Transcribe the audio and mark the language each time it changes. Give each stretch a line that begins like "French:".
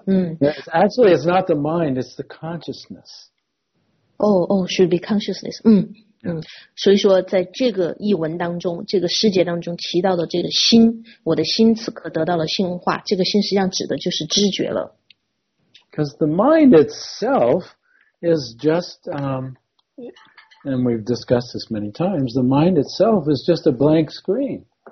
English: Actually, it's not the mind, it's the consciousness. Oh, should be consciousness. Mm. Yes.
Chinese: 所以说在这个译文当中，这个诗节当中提到的这个心，我的心此刻得到了性化，这个心实际上指的就是知觉了。
English: Because the mind itself is just, and we've discussed this many times, the mind itself is just a blank screen.